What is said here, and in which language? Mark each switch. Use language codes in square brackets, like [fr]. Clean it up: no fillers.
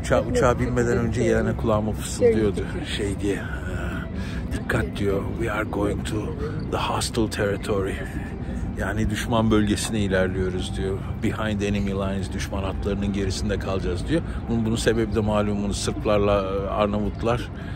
[tr] Uçağa binmeden önce Yelena kulağıma fısıldıyordu şey diye. Dikkat diyor, [en] we are going to the hostile territory. [tr] Yani düşman bölgesine ilerliyoruz diyor. [en] Behind enemy lines, [tr] düşman hatlarının gerisinde kalacağız diyor. Bunun sebebi de malumunuz Sırplarla Arnavutlar.